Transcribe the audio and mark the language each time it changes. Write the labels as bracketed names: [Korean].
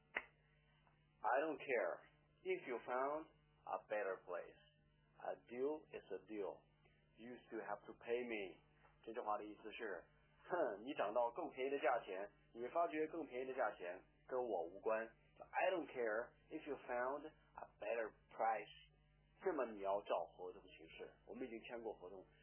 [English] I don't care. If you found a better place, a deal is a deal. You still have to pay me. [Chinese] 这句话的意思是，哼，你涨到更便宜的价钱，你发觉更便宜的价钱跟我无关。 [English] So, I don't care if you found a better price. [Chinese] 那么你要照合同形式，我们已经签过合同。